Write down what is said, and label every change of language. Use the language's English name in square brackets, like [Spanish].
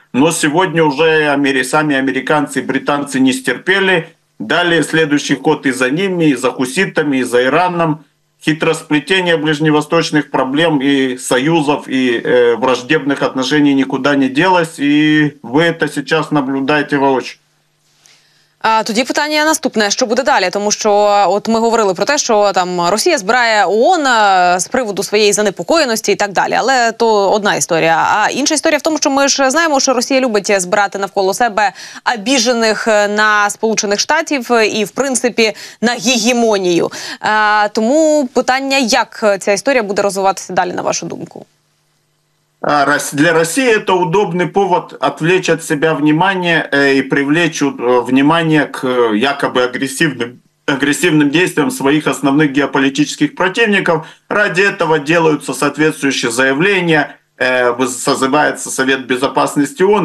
[Russian] Но сегодня уже сами американцы и британцы не стерпели. Далее следующий ход и за ними, и за хуситами, и за Ираном. Хитросплетение ближневосточных проблем и союзов, и враждебных отношений никуда не делось. И вы это сейчас наблюдаете воочию. [Ukrainian] Тоді питання наступне, що буде далі, тому що от ми говорили про те, що там Росія збирає ООН з приводу своєї занепокоєності і так далі, але то одна історія. А інша історія в тому, що ми ж знаємо, що Росія любить збирати навколо себе обіжених на Сполучених Штатів і, в принципі, на гегемонію. Тому питання, як ця історія буде розвиватися далі, на вашу думку? [Russian] Для России это удобный повод отвлечь от себя внимание и привлечь внимание к якобы агрессивным действиям своих основных геополитических противников. Ради этого делаются соответствующие заявления, созывается Совет Безопасности ООН.